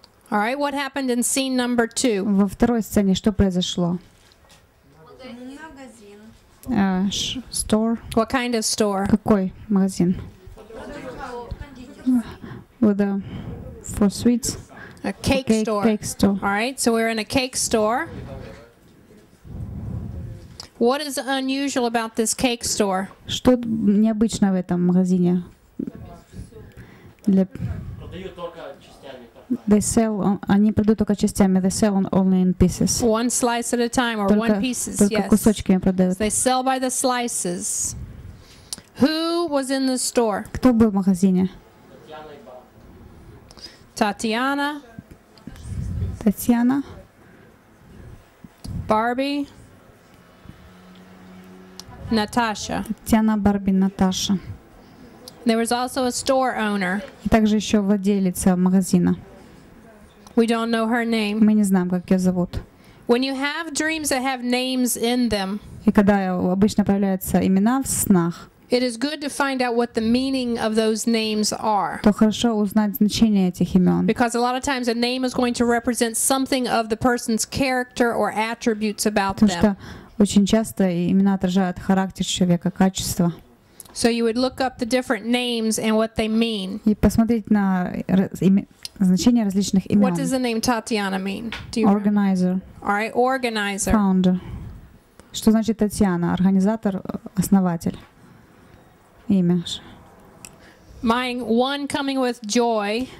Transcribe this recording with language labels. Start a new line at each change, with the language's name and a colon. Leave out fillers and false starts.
English: All right, what happened in scene number two?
Russian: Во второй сцене что произошло? Магазин.
English: Store. What kind of store?
Russian: Какой магазин?
English: With a for sweets. A cake store. Cake store. All right, so we're in a cake store. What is unusual about this cake store?
Russian: Что необычно в этом магазине? Продают только частями.
English: They sell.
Russian: Они продают только частями.
English: They sell only in pieces. One slice at a time, or one pieces.
Russian: Только кусочками продают.
English: They sell by the slices. Who was in the store?
Russian: Кто был в магазине? Татьяна и Барбара. Татьяна. Татьяна. Барби. Наташа. Татьяна, Барби, Наташа.
English: There was also a store owner.
Russian: И также еще владелица магазина.
English: We don't know her name.
Russian: Мы не знаем, как ее зовут.
English: When you have dreams that have names in them.
Russian: И когда обычно появляются имена в снах.
English: It is good to find out what the meaning of those names are.
Russian: То хорошо узнать значение этих имен.
English: Because a lot of times a name is going to represent something of the person's character or attributes about them.
Russian: Потому что очень часто имена отражают характер человека, качества.
English: So you would look up the different names and what they mean.
Russian: И посмотреть на значение различных имен.
English: What does the name Татьяна mean? Organizer. All right, organizer. Founder.
Russian: Что значит Татьяна? Организатор, основатель. Имя.
English: Mine one coming with joy.